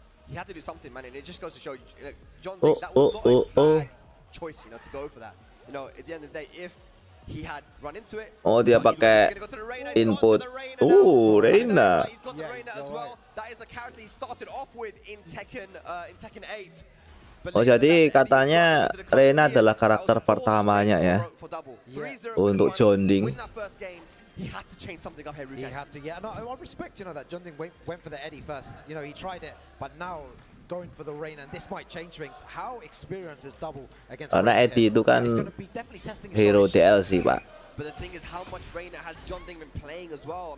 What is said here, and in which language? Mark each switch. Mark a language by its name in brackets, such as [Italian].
[English] He had to do something, man, and it just goes to show you, like, John Dick, that was not a bad choice, you know, to go for that. You know, at the end of the day, if he had run into it, [Indonesian] oh, dia pakai input. Oh, Reyna. [English] That is the character he started off with in Tekken, in Tekken 8. [Indonesian] Oh, jadi katanya Reyna adalah karakter pertamanya ya untuk John Ding. [English] He had to change something up here. He had to, yeah. No, I respect, you know, that John Ding went for the Eddie first. You know, he tried it, but now going for the Reyna, and this might change things. How experience is double against. [Indonesian] Karena Eddie itu kan hero DLC, Pak. [English] But the thing is, how much Reyna has John Ding been playing as well?